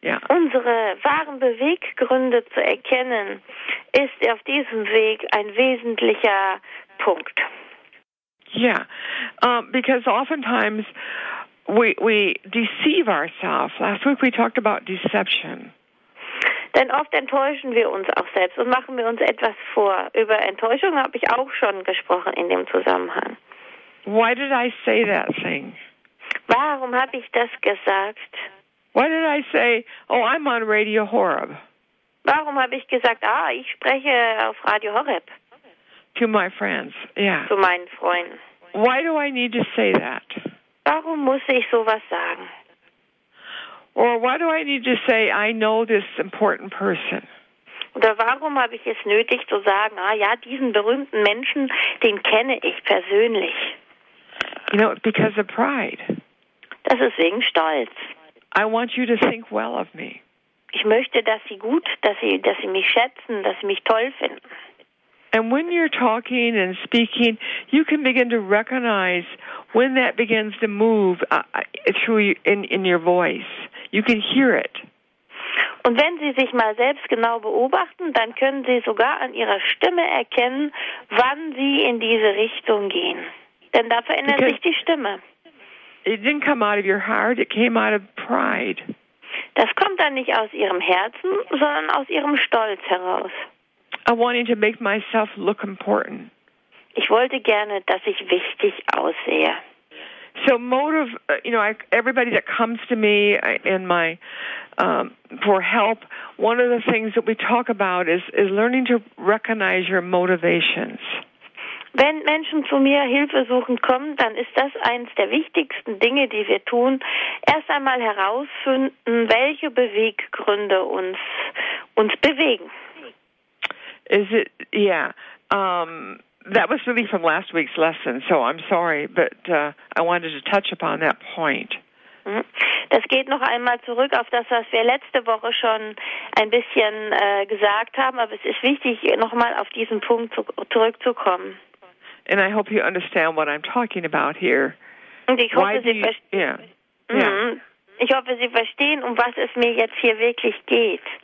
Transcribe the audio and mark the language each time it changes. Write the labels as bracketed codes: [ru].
[de] Unsere wahren Beweggründe zu erkennen ist auf diesem Weg ein wesentlicher Punkt. [en] Yeah, because oftentimes we deceive ourselves. Last week we talked about deception. [de] Denn oft enttäuschen wir uns auch selbst und machen wir uns etwas vor. Über Enttäuschung habe ich auch schon gesprochen in dem Zusammenhang. [en] Why did I say that thing? [de] Warum habe ich das gesagt? [en] Why did I say, oh, I'm on Radio Horeb? [de] Warum habe ich gesagt, ah, ich spreche auf Radio Horeb? [en] To my friends, yeah. [de] Zu meinen Freunden. [en] Why do I need to say that? [de] Warum muss ich sowas sagen? [en] Or why do I need to say, I know this important person? [de] Oder warum habe ich es nötig zu sagen, ah ja, diesen berühmten Menschen, den kenne ich persönlich? [en] You know, because of pride. [de] Das ist wegen Stolz. [en] I want you to think well of me. [de] Ich möchte, dass Sie gut, dass Sie mich schätzen, dass Sie mich toll finden. [en] And when you're talking and speaking, you can begin to recognize when that begins to move through in your voice. You can hear it. [de] Und wenn Sie sich mal selbst genau beobachten, dann können Sie sogar an Ihrer Stimme erkennen, wann Sie in diese Richtung gehen. Denn da verändert [en] Because [de] sich die Stimme. [en] It didn't come out of your heart, it came out of pride. [de] Das kommt dann nicht aus Ihrem Herzen, sondern aus Ihrem Stolz heraus. [en] I wanted to make myself look important. [de] Ich wollte gerne, dass ich wichtig aussehe. [en] So motive, you know, everybody that comes to me in my for help, one of the things that we talk about is learning to recognize your motivations. [de] Wenn Menschen zu mir Hilfe suchen kommen, dann ist das eines der wichtigsten Dinge, die wir tun. Erst einmal herausfinden, welche Beweggründe uns bewegen. [en] Is it, yeah, that was really from last week's lesson, so I'm sorry, but I wanted to touch upon that point. [de] Das geht noch einmal zurück auf das, was wir letzte Woche schon ein bisschen gesagt haben, aber es ist wichtig, noch mal auf diesen Punkt zurückzukommen. [en] And I hope you understand what I'm talking about here. [de] Und ich hoffe, Sie verstehen. Yeah. Mm-hmm. Ich hoffe, Sie verstehen, um was es mir jetzt hier wirklich geht.